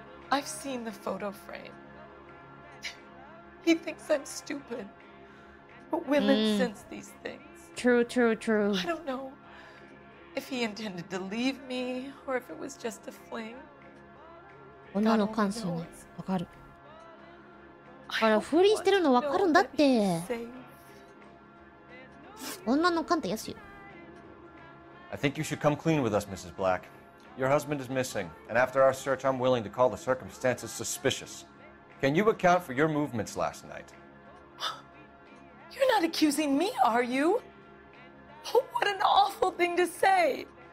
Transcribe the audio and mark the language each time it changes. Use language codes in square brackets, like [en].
[en] I've seen the photo frame. He thinks I'm stupid. But women sense these things. True, true, true. I don't know if he intended to leave me or if it was just a fling. God only knows. [ja] これ不倫してるの分かるんだって。女の勘ってやつよ。 [en] I think you should come clean with us, Mrs. Black. Your husband is missing, and after our search, I'm willing to call the circumstances suspicious. Can you account for your movements last night? You're not accusing me, are you? Oh, what an awful thing to say!